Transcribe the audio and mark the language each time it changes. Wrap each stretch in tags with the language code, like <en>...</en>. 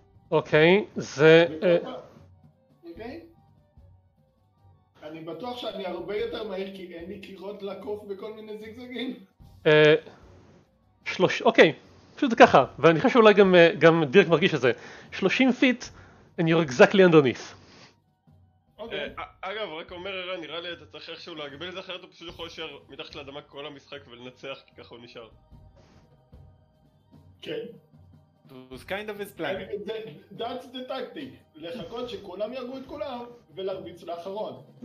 <he>אוקיי, זה... אוקיי? אני בטוח שאני הרבה יותר מהיר כי אין לי קירות לקוף בכל מיני זיגזגים. אוקיי, פשוט ככה, ואני חושב שאולי גם דירק מרגיש את זה.</he> <en>30 פיט, and you're exactly underneath.</en> <he>אגב, רק אומר הרי, נראה לי אתה צריך איכשהו להגביל את זה אחרת, הוא פשוט יכול להישאר מתחת לאדמה כל המשחק ולנצח, כי ככה הוא נשאר. כן.</he> <en>It was kind of his plan. That's the tactic.</en> <he>לחכות שכולם ירגו את כולם, ולהרביץ לאחרון.</he>